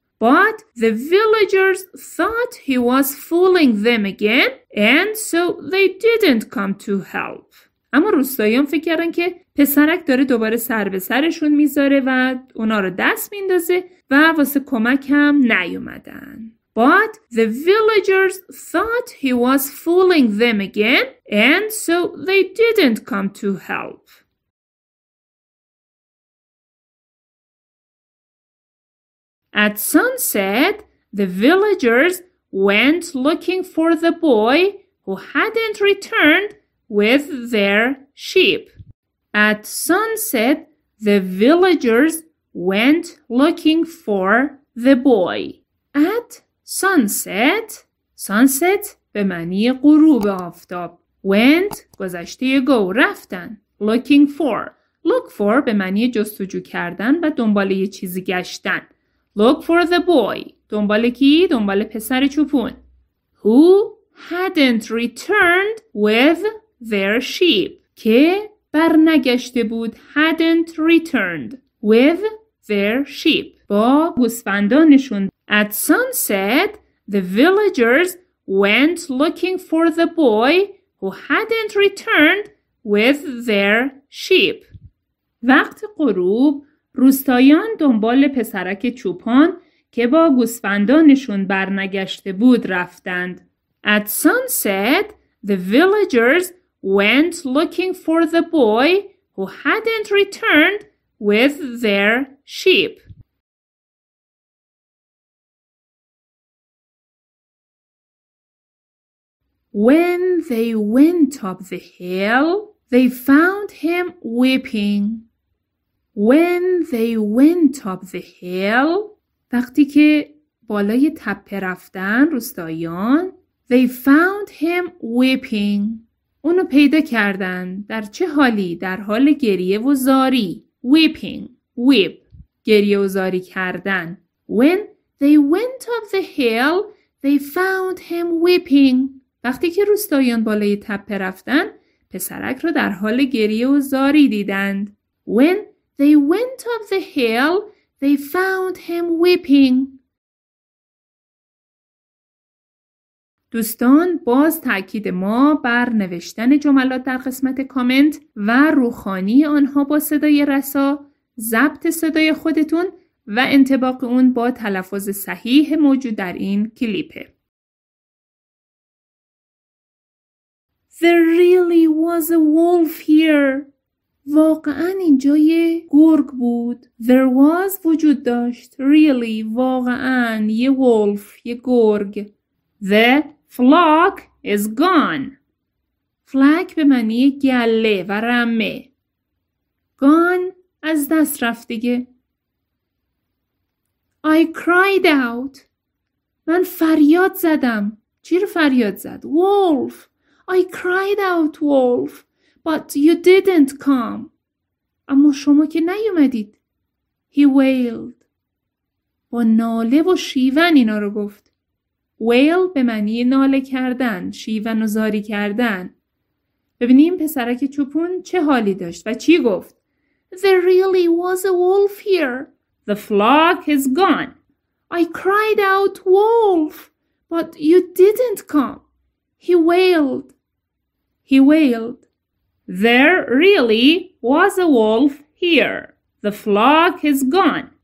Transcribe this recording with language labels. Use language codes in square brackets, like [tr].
[en] But the villagers thought he was fooling them again and so they didn't come to help. [fa] اما روستاییان فکر کردن که پسرک داره دوباره سر به سرشون میذاره و اونا رو دست میندازه و واسه کمک هم نیومدن. [en] But the villagers thought he was fooling them again and so they didn't come to help. At sunset, the villagers went looking for the boy who hadn't returned with their sheep. At sunset, the villagers went looking for the boy. At sunset. [fa] Sunset به معنی غروب آفتاب. [en] Went گذشته go رفتن. Looking for. [fa] Look for به معنی جستجو کردن و دنبال یه چیزی گشتن. [en] Look for the boy. [fa] دنبال کی؟ دنبال پسر چوپون. [en] Who hadn't returned with their sheep. [fa] که بر نگشته بود. [en] Hadn't returned with their sheep. [fa] با گوسفندانشون. [en] At sunset, the villagers went looking for the boy who hadn't returned with their sheep. [fa] وقت غروب روستایان دنبال پسرک چوپان که با گوسفندانشون برنگشته بود رفتند. [en] At sunset, the villagers went looking for the boy who hadn't returned with their sheep. When they went up the hill, they found him weeping. When they went up the hill, [fa] وقتی که بالای تپه رفتن روستاییان, [en] they found him weeping. [fa] اونو پیدا کردن. در چه حالی؟ در حال گریه و زاری. [en] Weeping. Weep. [fa] گریه و زاری کردن. [en] When they went up the hill, they found him weeping. [fa] وقتی که روستاییان بالای تپه رفتن, پسرک رو در حال گریه و زاری دیدند. [en] When they went up the hill, they found him weeping. [fa] دوستان, باز تأکید ما بر نوشتن جملات در قسمت کامنت و روخوانی آنها با صدای رسا, ضبط صدای خودتون و انطباق اون با تلفظ صحیح موجود در این کلیپه. [en] There really was a wolf here. [fa] واقعاً اینجا یه گرگ بود. [en] There was [fa] وجود داشت. Really, واقعاً یه wolf, یه گرگ. [en] The flock is gone. [fa] Flock به معنی گله و رمه. [en] Gone [fa] از دست رفته. [en] I cried out. [fa] من فریاد زدم. چی رو فریاد زد؟ [en] Wolf. I cried out, wolf, but you didn't come. [fa] اما شما که نیومدید. [en] He wailed. [fa] با ناله و شیون اینا رو گفت. Wail به معنی ناله کردن, شیون و زاری کردن. ببینیم پسرک چوپون چه حالی داشت و چی گفت. [en] There really was a wolf here. The flock is gone. I cried out, wolf, but you didn't come. He wailed. He wailed. There really was a wolf here. The flock is gone.